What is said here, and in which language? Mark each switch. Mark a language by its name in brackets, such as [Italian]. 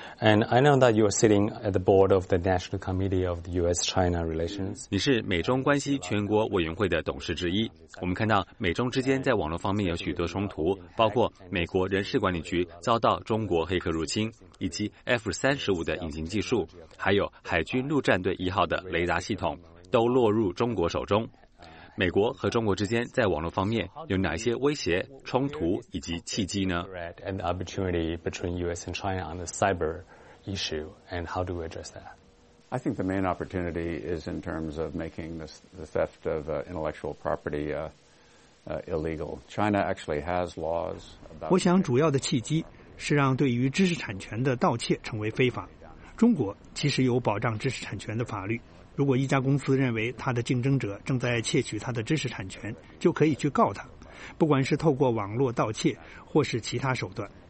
[English] And I know that you are sitting at the board of the National Committee of the U.S.-China Relations. [Chinese] 你是美中关系全国委员会的董事之一。我们看到美中之间在网络方面有许多冲突，包括美国人事管理局遭到中国黑客入侵，以及 F-35 的隐形技术，还有海军陆战队一号的雷达系统都落入中国手中。美国和中国之间在网络方面有哪些威胁、冲突以及契机呢？ [English] And the opportunity between US and China on the cyber issue and how do we address that? I think the main opportunity is in terms of making the theft of intellectual property illegal. China actually has laws about. [Chinese] 我想主要的契机是让对于知识产权的盗窃成为非法。中国其实有保障知识产权的法律，如果一家公司认为他的竞争者正在窃取他的知识产权，就可以去告他，不管是透过网络盗窃或是其他手段。